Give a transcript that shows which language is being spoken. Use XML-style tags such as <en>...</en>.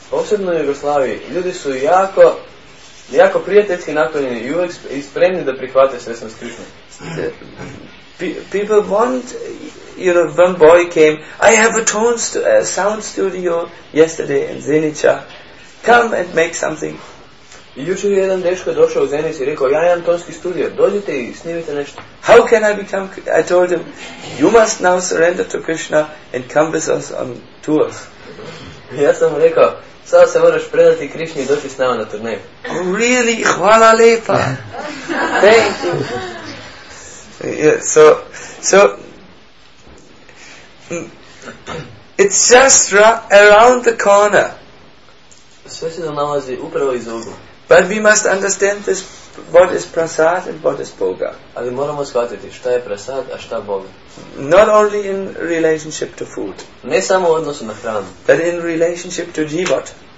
<hr>Posebno u Jugoslaviji, ljudi su jako, jako prijateljski naklonjeni i uvijek spremni da prihvate svjesnost Krišne.</hr> <en>People want, you know, one boy came, I have a tone sound studio yesterday in Zenica. Come and make something.</en> <hr>Jučer je jedan dečko došao u Zenici i rekao, ja imam tonski studio, dođite i snimite nešto.</hr> <en>How can I become, I told him, you must now surrender to Krishna and come with us on tours.</en> <hr>Ja sam mu rekao, sada se moraš predati Krišni i doći s nama na turnej.</hr> <en>Oh, really?</en> <hr>Hvala lepa.</hr> <en>Thank you. Yeah, so, it's just around the corner.</en> <hr>Sve se nalazi upravo iza ugla.</hr> <en>But we must understand this, what is prasad and what is boga.</en> <hr>Ali moramo shvatiti šta je prasad, a šta boga.</hr> <en>Not only in relationship to food.</en> <hr>Ne samo u odnosu na hranu.</hr> <en>But in relationship to jivot.</en>